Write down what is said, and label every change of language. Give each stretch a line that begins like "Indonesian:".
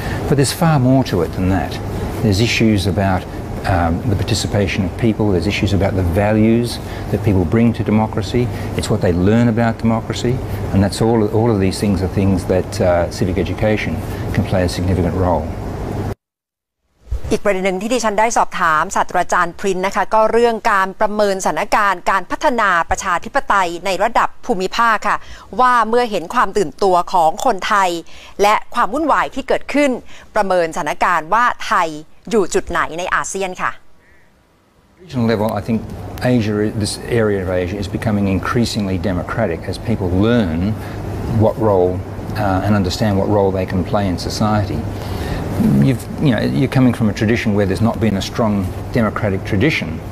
English: But there's far more to it than that. There's issues aboutthe participation of people, there's issues about the values that people bring to democracy, it's what they learn about democracy, and that's all of these things are things thatcivic education can play a significant role.
Thai: อีกประเด็นหนึ่งที่ดิฉันได้สอบถามศาสตราจารย์พรินนะคะก็เรื่องการประเมินสถานการณ์การพัฒนาประชาธิปไตยในระดับภูมิภาคค่ะว่าเมื่อเห็นความตื่นตัวของคนไทยและความวุ่นวายที่เกิดขึ้นประเมินสถานการณ์ว่าไทยอยู่จุดไหนในอาเซียนค่ะ
English: Regional level I think Asia this area of Asia is becoming increasingly democratic as people learn what role and understand what role they can play in society you know you're coming from a tradition where there's not been a strong democratic tradition